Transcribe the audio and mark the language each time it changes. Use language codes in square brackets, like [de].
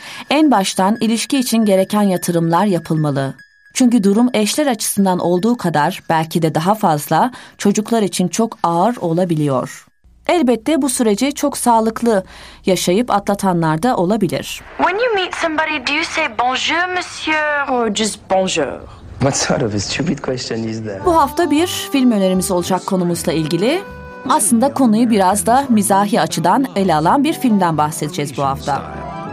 [tr] En baştan ilişki için gereken yatırımlar yapılmalı. Çünkü durum eşler açısından olduğu kadar, belki de daha fazla, çocuklar için çok ağır olabiliyor. Elbette bu süreci çok sağlıklı yaşayıp atlatanlar da olabilir. [en] When you meet somebody, do you say [fr] bonjour monsieur [en] or just bonjour? What sort of a stupid question is that? [tr] Bu hafta bir film önerimiz olacak konumuzla ilgili. Aslında konuyu biraz da mizahi açıdan ele alan bir filmden bahsedeceğiz bu hafta.